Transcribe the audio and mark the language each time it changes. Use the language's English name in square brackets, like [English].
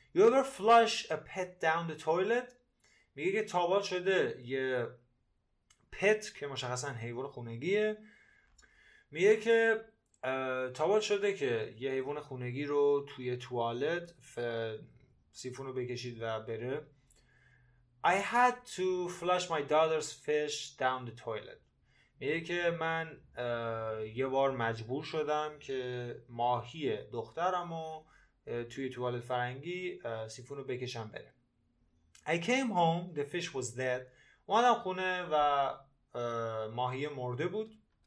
[English] You ever flush a pet down the toilet؟ [Persian] میگه که تابال شده یه پت که مشخصا حیوان خونگیه، میگه که تابال شده که یه حیوان خونگی رو توی توالت سیفون رو بکشید و بره. [English] I had to flush my daughter's fish down the toilet. [Persian] میگه که من یه بار مجبور شدم که ماهی دخترمو توی توالت فرنگی سیفون رو بکشم بره. [English] I came home, the fish was dead. [Persian] اومدم خونه و ماهی مرده بود.